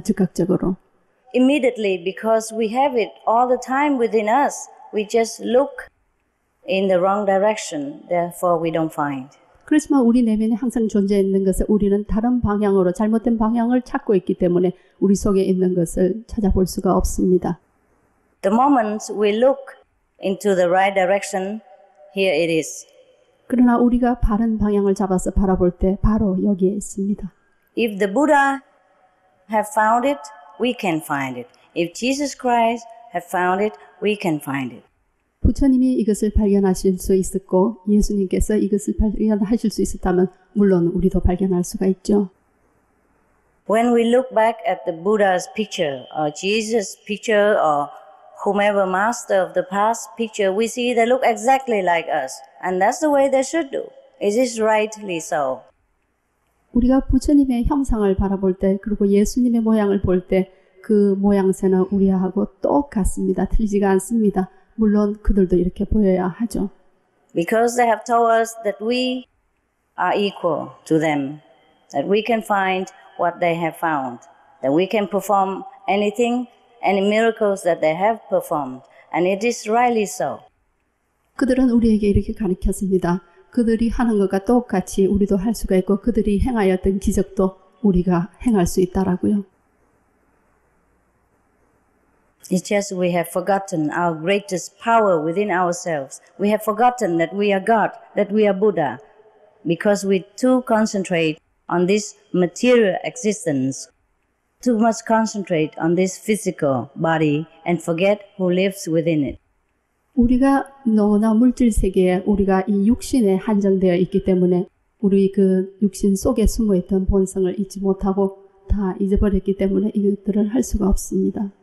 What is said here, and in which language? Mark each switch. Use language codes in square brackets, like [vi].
[ko] 즉각적으로. [en] Immediately, because we have it all the time within us. We just look in the wrong direction, therefore we don't find. [ko] 그렇지만 우리 내면에 항상 존재해 있는 것을 우리는 다른 방향으로 잘못된 방향을 찾고 있기 때문에 우리 속에 있는 것을 찾아볼 수가 없습니다. [en] The moment we look into the right direction, here it is. [ko] 그러나 우리가 바른 방향을 잡아서 바라볼 때 바로 여기에 있습니다. [en] If the Buddha have found it, we can find it. If Jesus Christ have found it, we can find it. [ko] 부처님이 이것을 발견하실 수 있었고 예수님께서 이것을 발견하실 수 있었다면 물론 우리도 발견할 수가 있죠. [en] When we look back at the Buddha's picture or Jesus' picture or whomever master of the past picture, we see they look exactly like us. And that's the way they should do. It is rightly so. [ko] 우리가 부처님의 형상을 바라볼 때 그리고 예수님의 모양을 볼 때 그 모양새는 우리하고 똑같습니다. 틀리지가 않습니다. 물론 그들도 이렇게 보여야 하죠. [en] Because they have told us that we are equal to them. that we can find what they have found, that we can perform anything, any miracles that they have performed, and it is rightly so. [ko] 그들은 우리에게 이렇게 가르쳤습니다. 그들이 하는 것과 똑같이 우리도 할 수가 있고 그들이 행하였던 기적도 우리가 행할 수 있다라고요. [en] It's just we have forgotten our greatest power within ourselves. We have forgotten that we are God, that we are Buddha, because we too concentrate on this material existence, too much concentrate on this physical body and forget who lives within it. [ko] 우리가 너무나 물질 세계에 우리가 이 육신에 한정되어 있기 때문에 우리 그 육신 속에 숨어있던 본성을 잊지 못하고 다 잊어버렸기 때문에 이것들을 할 수가 없습니다.